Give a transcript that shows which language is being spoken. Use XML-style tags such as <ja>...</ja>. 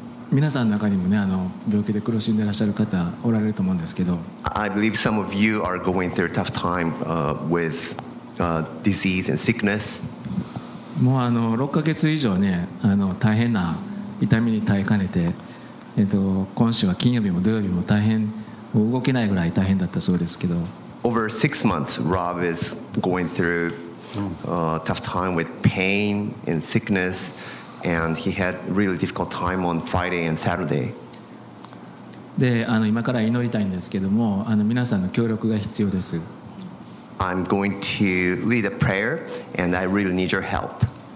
<ja>皆さんの中にもね病気で苦しんでらっしゃる方おられると思うんですけど</ja> <en>I believe some of you are going through a tough time with disease and sickness</en> <ja>もう6ヶ月以上ね大変な痛みに耐えかねて、今週は金曜日も土曜日も大変もう動けないぐらい大変だったそうですけど。</ja> <en>Over six months, Rob is going through a tough time with pain and sickness, and he had really difficult time on Friday and Saturday.</en> <ja>で、今から祈りたいんですけども、皆さんの協力が必要です。</ja> <en>I'm going to lead a prayer and I really need your help.</en>